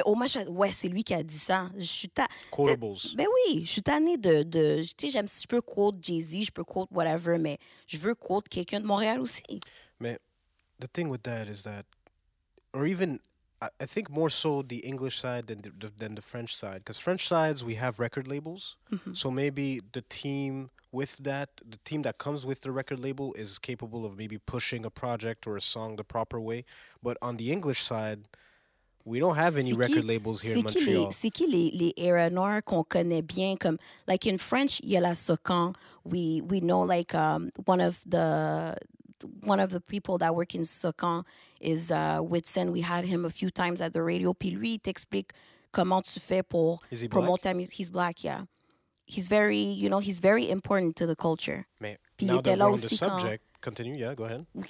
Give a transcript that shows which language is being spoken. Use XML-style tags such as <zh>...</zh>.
<fr>Oh, ouais, c'est lui qui a dit ça.</fr> <en>Quotables.</en> <fr>Ben oui, je suis tannée de... Tu sais, j'aime si je peux quote Jay-Z, je peux quote whatever, mais je veux quote quelqu'un de Montréal aussi.</fr> <en>Mais the thing with that is that... Or even, I think more so the English side than the French side. Because French sides, we have record labels. Mm-hmm. So maybe the team... With that, the team that comes with the record label is capable of maybe pushing a project or a song the proper way. But on the English side, we don't have any record labels here in Montreal.</en> <fr>C'est qui les Era Noir qu'on connaît bien? Comme,</fr> <en>like in French,</en> <fr>il y a la Socan.</fr> <en>We know, like, one of the people that work in Socan is Whitson. We had him a few times at the radio.</en> <fr>Puis lui, il t'explique comment tu fais pour</fr> <en>promote</en> <fr>ta musique.</fr> <en>He's black, yeah. He's very, you know, he's very important to the culture. Mais now that we're on the subject, continue, yeah, go ahead.</en>